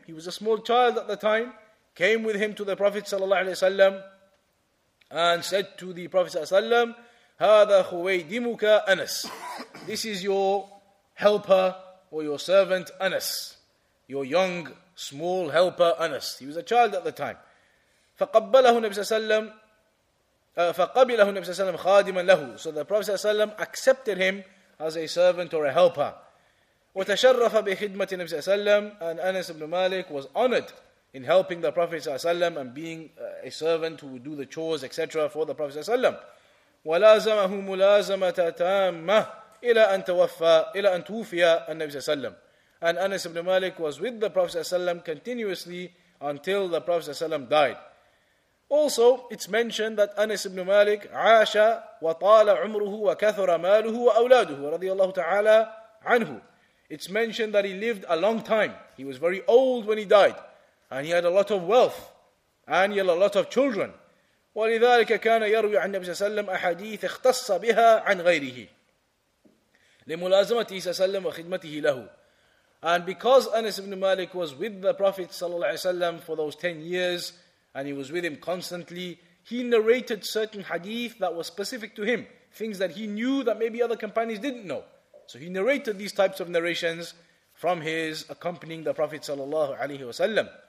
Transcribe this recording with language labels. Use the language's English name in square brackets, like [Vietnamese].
[English] He was a small child at the time. Came with him to the Prophet صلى الله عليه وسلم and said to the Prophet صلى الله عليه وسلم, [Arabic] هذا خويدمك أنس. [English] This is your helper or your servant Anas. Your young, small helper Anas. He was a child at the time. [Arabic] فقبله النبي صلى الله عليه وسلم فقبله النبي صلى الله عليه وسلم خادما له. [English] So the Prophet صلى الله عليه وسلم accepted him as a servant or a helper. [Arabic] وتشرف بخدمة النبي صلى الله عليه وسلم. [English] And Anas ibn Malik was honored in helping the Prophet صلى الله عليه وسلم and being a servant who would do the chores, etc. for the Prophet صلى الله عليه وسلم. [Arabic] ولازمه ملازمة تامة إلى أن توفى إلى أن توفي النبي صلى الله عليه وسلم. [English] And Anas ibn Malik was with the Prophet صلى الله عليه وسلم continuously until the Prophet صلى الله عليه وسلم died. Also, it's mentioned that Anas ibn Malik [Arabic] عاش وطال عمره وكثر ماله وأولاده رضي الله تعالى عنه. [English] It's mentioned that he lived a long time. He was very old when he died. And he had a lot of wealth. And he had a lot of children. [Arabic] ولذلك كان يروي عن النبي صلى الله عليه وسلم أحاديث اختص بها عن غيره لملازمته صلى الله عليه وسلم وخدمته له. [English] And because Anas ibn Malik was with the Prophet صلى الله عليه وسلم for those 10 years, and he was with him constantly, he narrated certain hadith that were specific to him, things that he knew that maybe other companions didn't know. So he narrated these types of narrations from his accompanying the Prophet sallallahu alaihi wasallam.